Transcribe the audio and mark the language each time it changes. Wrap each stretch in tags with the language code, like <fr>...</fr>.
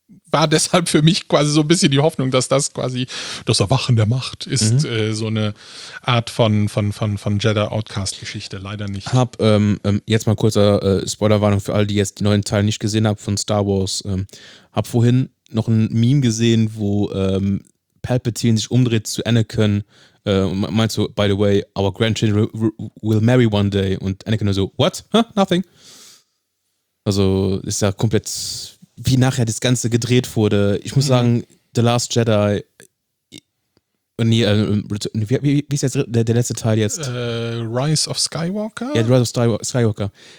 <de>war deshalb für mich quasi so ein bisschen die Hoffnung, dass das quasi das Erwachen der Macht ist, so eine Art von Jedi Outcast-Geschichte, leider nicht. Hab jetzt mal kurzer Spoilerwarnung für alle, die jetzt die neuen Teile nicht gesehen haben von Star Wars. Hab vorhin noch ein Meme gesehen, wo Palpatine sich umdreht zu Anakin. Meinst du,</de> <en>by the way, our grandchildren will marry one day?</en> <de>Und Anakin nur so,</de> <en>what? Huh? Nothing?</en> <de>Also, ist ja komplett, wie nachher das Ganze gedreht wurde. Ich muss sagen, The Last Jedi, wie ist jetzt der letzte Teil jetzt? Rise of Skywalker? Ja, The Rise of Skywalker.</de>